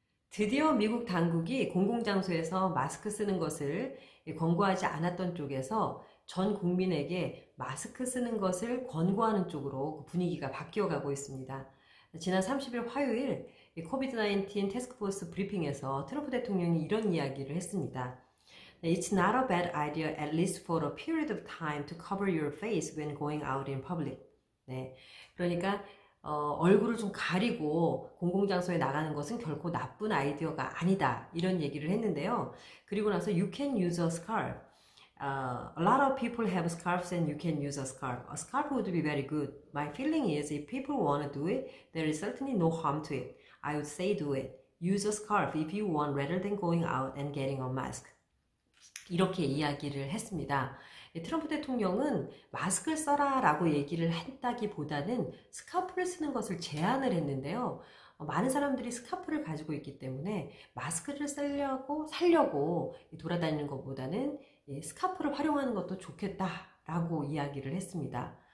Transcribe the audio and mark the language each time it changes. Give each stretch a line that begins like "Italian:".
Korean: 드디어 미국 당국이 공공장소에서 마스크 쓰는 것을 권고하지 않았던 쪽에서 전 국민에게 마스크 쓰는 것을 권고하는 쪽으로 분위기가 바뀌어 가고 있습니다. 지난 30일 화요일 COVID-19 태스크포스 브리핑에서 트럼프 대통령이 이런 이야기를 했습니다.
English: It's not a bad idea, at least for a period of time, to cover your face when going out in public.
Korean: 네. 그러니까 얼굴을 좀 가리고 공공장소에 나가는 것은 결코 나쁜 아이디어가 아니다. 이런 얘기를 했는데요. 그리고 나서
English: You can use a scarf. A lot of people have scarves and you can use a scarf. A scarf would be very good. My feeling is if people want to do it, there is certainly no harm to it. I would say do it. Use a scarf if you want rather than going out and getting a mask.
Korean: 이렇게 이야기를 했습니다. 트럼프 대통령은 마스크를 써라라고 얘기를 했다기보다는 스카프를 쓰는 것을 제안을 했는데요. 많은 사람들이 스카프를 가지고 있기 때문에 마스크를 살려고 돌아다니는 것보다는 스카프를 활용하는 것도 좋겠다라고 이야기를 했습니다.